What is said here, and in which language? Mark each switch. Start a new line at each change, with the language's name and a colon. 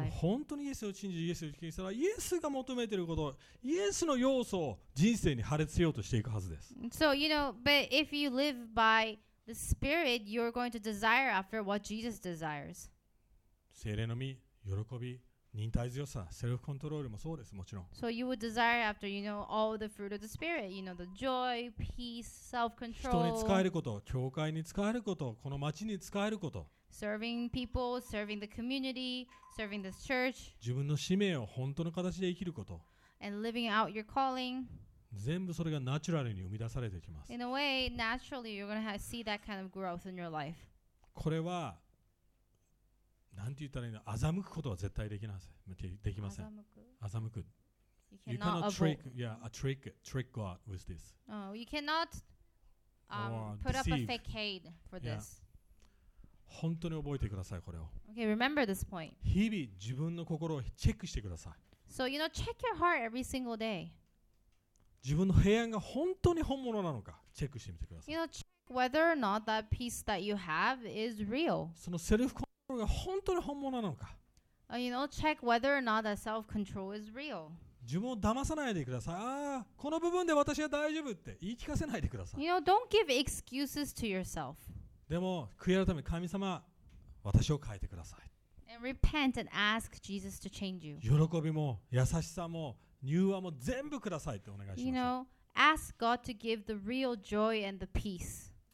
Japanese: でも本当にイエスを信じ、イエスを信じたら、イエスが求めてること、イエスの要素を人生に破裂しようとしていくはずです。
English: So you know, but if you live by the Spirit, you're going to desire after what Jesus desires.
Japanese: 聖霊の御、喜び、忍耐強さ、セルフコントロールもそうです、もちろん。
English: So you would desire after, you know, all the fruit of the Spirit, you know, the joy, peace, self-control.
Japanese: 人に使えること、教会に使えること、この町に使えること。
English: Serving people, serving the community, serving this church.
Japanese: 自分の使命を本当の形で生きること。
English: And living out your calling.
Japanese: 全部それがナチュラルに生み出されていきます。
English: In a way, naturally, you're going to see that kind of growth in your life.
Japanese: これは、なんて言ったらいいの、欺くことは絶対できません。欺く。
English: You cannot trick, yeah, a trick, trick God with this. You cannot put up a facade for this.
Japanese: 本当に覚えてください、これを。
English: Okay, remember this point.
Japanese: 日々自分の心をチェックしてください。
English: So, you know, check your heart every single day.
Japanese: 自分の平安が本当に本物なのか、チェックしてみてください。
English: You know, check whether or not that peace that you have is real.
Japanese: そのセルフコントロール本当に本物なのか。
English: You know, check whether or not that self-control is real.
Japanese: 自分を騙さないでください。ああ、この部分で私は大丈夫って言い聞かせないでください。
English: You know, don't give excuses to yourself.
Japanese: でも悔い改め、神様、私を変えてください。
English: And repent and ask Jesus to change you.
Japanese: 喜びも優しさも柔和も全部くださいってお願いします。
English: You know, ask God to give the real joy and the peace.